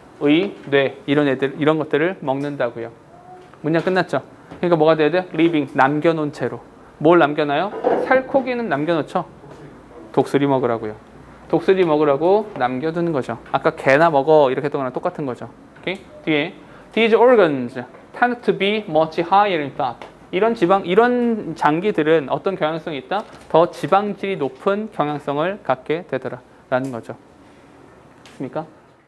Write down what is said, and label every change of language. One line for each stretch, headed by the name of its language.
Korean: 의, 뇌, 이런 애들, 이런 것들을 먹는다고요. 문장 끝났죠? 그러니까 뭐가 돼야 돼? living, 남겨놓은 채로. 뭘 남겨놔요? 살코기는 남겨놓죠? 독수리 먹으라고요. 독수리 먹으라고 남겨두는 거죠. 아까 개나 먹어, 이렇게 했던 거랑 똑같은 거죠. 오케이? 뒤에,
English: these organs tend to be much higher in fat.
Korean: 이런 장기들은 어떤 경향성이 있다? 더 지방질이 높은 경향성을 갖게 되더라. 라는 거죠. 됐습니까?